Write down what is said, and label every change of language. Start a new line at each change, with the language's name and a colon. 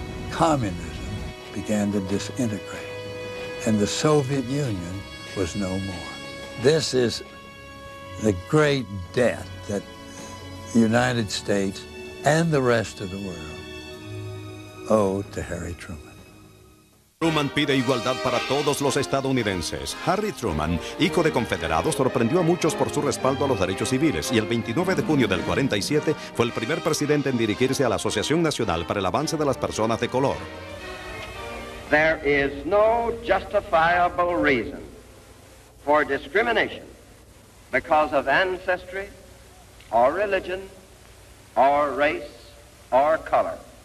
English: Communism began to disintegrate, and the Soviet Union was no more. This is the great debt that the United States and the rest of the world owe to Harry Truman.
Spanish: Truman pide igualdad para todos los estadounidenses. Harry Truman, hijo de confederados, sorprendió a muchos por su respaldo a los derechos civiles y el 29 de junio del 47 fue el primer presidente en dirigirse a la Asociación Nacional para el Avance de las Personas de Color.
English: There is no justifiable reason for discrimination because of ancestry or religion or race or color.